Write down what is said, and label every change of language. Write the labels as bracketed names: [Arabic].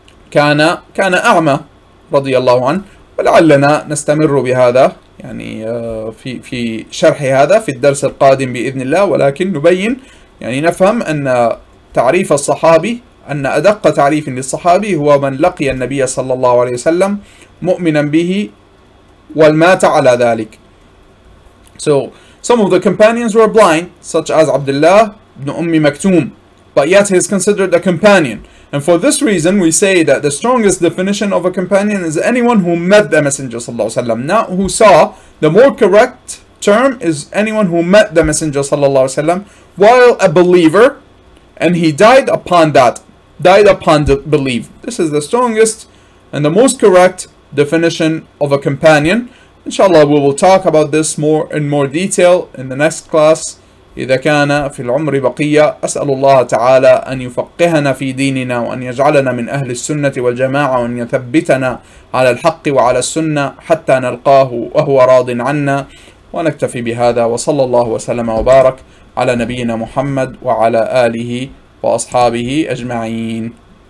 [Arabic] كان أعمى رضي الله عنه ولعلنا نستمر بهذا يعني في شرح هذا في الدرس القادم بإذن الله ولكن نبين يعني نفهم أن تعريف الصحابي أن أدق تعريف للصحابي هو من لقي النبي صلى الله عليه وسلم مؤمنا به والمات على ذلك [English] So some of the companions were blind such as Abdullah ibn Umm Maktum but yet he is considered a companion And for this reason, we say that the strongest definition of a companion is anyone who met the Messenger sallallahu alaihi wasallam, not who saw. The more correct term is anyone who met the Messenger sallallahu alaihi wasallam while a believer, and he died upon that, died upon the belief. This is the strongest and the most correct definition of a companion. Inshallah, we will talk about this more in more detail in the next class. [Arabic] إذا كان في العمر بقية أسأل الله تعالى أن يفقهنا في ديننا وأن يجعلنا من أهل السنة والجماعة وأن يثبتنا على الحق وعلى السنة حتى نلقاه وهو راض عنا ونكتفي بهذا وصلى الله وسلم وبارك على نبينا محمد وعلى آله وأصحابه أجمعين